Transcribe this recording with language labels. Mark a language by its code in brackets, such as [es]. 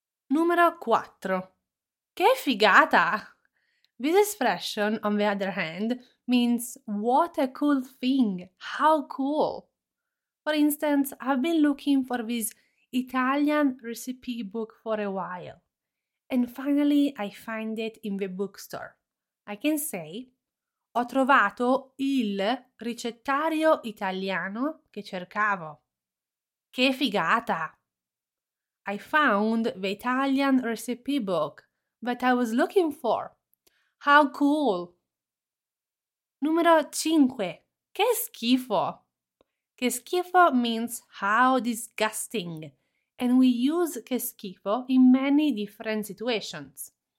[it] Numero 4. Che figata! [en] This expression, on the other hand, means what a cool thing, how cool. For instance, I've been looking for this Italian recipe book for a while, and finally I find it in the bookstore. I can say, [it] ho trovato il ricettario italiano che cercavo. Che figata! [en] I found the Italian recipe book that I was looking for. How cool! [it] Numero 5. Che schifo! [en] Che schifo means how disgusting, and we use che schifo in many different situations.